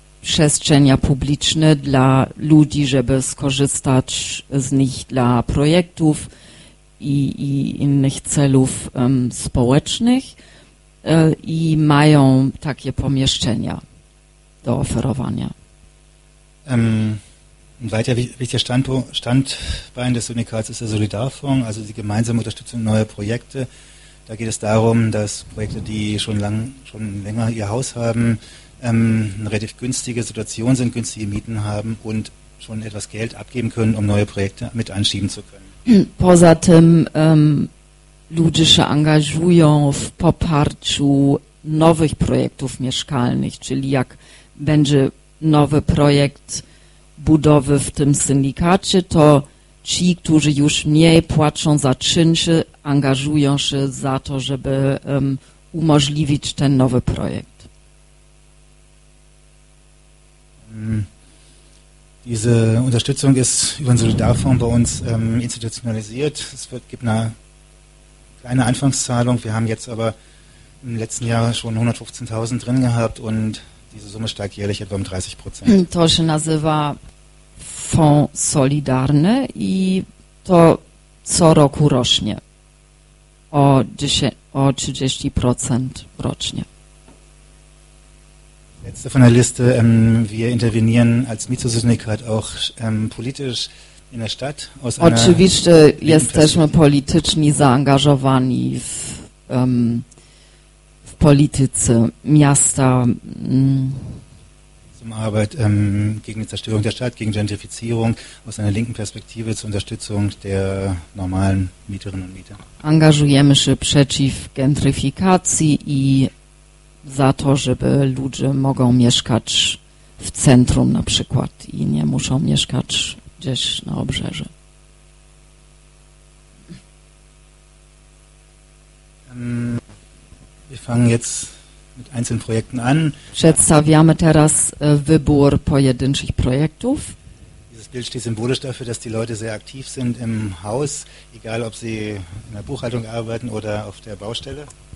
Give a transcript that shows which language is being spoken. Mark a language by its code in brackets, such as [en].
[pl] przestrzenia publiczne dla ludzi, żeby skorzystać z nich dla projektów i innych celów społecznych i mają takie pomieszczenia do oferowania. [de] Ein weiter wichtiger Standbein des Syndikats ist der Solidarfonds, also die gemeinsame Unterstützung neuer Projekte. Da geht es darum, dass Projekte, die schon länger ihr Haus haben, eine relativ günstige Situation sind, günstige Mieten haben und schon etwas Geld abgeben können, um neue Projekte mit anschieben zu können. [pl] Poza tym ludzie się angażują w poparciu nowych projektów mieszkalnych, czyli jak będzie nowy projekt budowy w tym syndikacie, to ci, którzy już mniej płacą za czynsze, angażują się za to, żeby umożliwić ten nowy projekt. [de] Diese Unterstützung ist über den Solidarfonds bei uns institutionalisiert. Es gibt eine kleine Anfangszahlung. Wir haben jetzt aber im letzten Jahr schon 115.000 drin gehabt und diese Summe steigt jährlich etwa um 30%. [pl] To się nazywa Fonds Solidarny i to co roku rośnie o 30% rocznie. [de] Letzte von der Liste, wir intervenieren als Mietersyndikat auch politisch in der Stadt. Aus [pl] oczywiście einer jesteśmy polityczni zaangażowani w polityce miasta. [de] Zum Arbeit gegen die Zerstörung der Stadt, gegen Gentrifizierung, aus einer linken Perspektive zur Unterstützung der normalen Mieterinnen und Mieter. [pl] Engagujemy się przeciw gentryfikacji i za to, żeby ludzie mogą mieszkać w centrum na przykład i nie muszą mieszkać gdzieś na obrzeżu. [de] Wir fangen jetzt mit einzelnen Projekten an. [pl] Przedstawiamy teraz wybór pojedynczych projektów. [de] Dieses Bild steht symbolisch dafür, dass die Leute sehr aktiv sind im Haus, egal ob sie in der Buchhaltung arbeiten oder auf der Baustelle.